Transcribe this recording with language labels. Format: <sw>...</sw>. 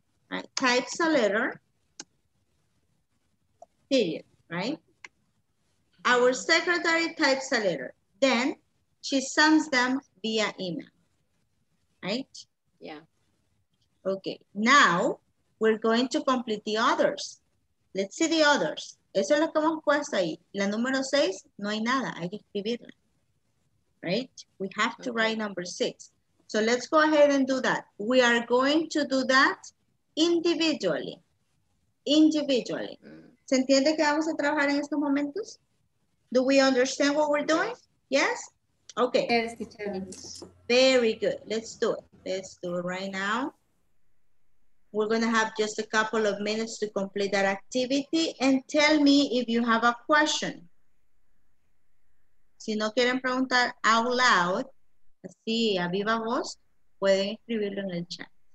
<en>Right? Types a letter, period, right? Our secretary types a letter. Then she sends them via email, right? Yeah. Okay, now we're going to complete the others. Let's see the others.</en> <es>Eso es lo que hemos puesto ahí. La número 6, no hay nada, hay que escribirla.</es> <en>Right? We have to write number 6. So let's go ahead and do that. We are going to do that individually. Individually.</en> <es>¿Se entiende que vamos a trabajar en estos momentos?</es> <en>Do we understand what we're doing? Yes? Okay. Yes, teacher. Very good. Let's do it. Let's do it right now. We're gonna have just a couple of minutes to complete that activity and tell me if you have a question.</en> <es>Si no quieren preguntar</es> <en>out loud,</en> <es>así a viva voz, pueden escribirlo en el chat.</es>